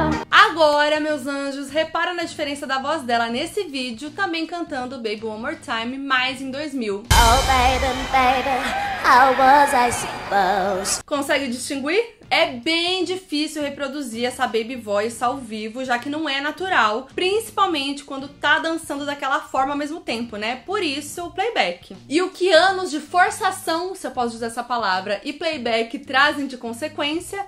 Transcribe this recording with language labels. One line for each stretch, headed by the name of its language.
Portuguese: Agora, meus anjos, repara na diferença da voz dela nesse vídeo, também cantando Baby One More Time, mais em 2000.
English: Oh, baby, baby, how was I supposed?
Portuguese: Consegue distinguir? É bem difícil reproduzir essa baby voice ao vivo, já que não é natural, principalmente quando tá dançando daquela forma ao mesmo tempo, né? Por isso, o playback. E o que anos de forçação, se eu posso usar essa palavra, e playback trazem de consequência?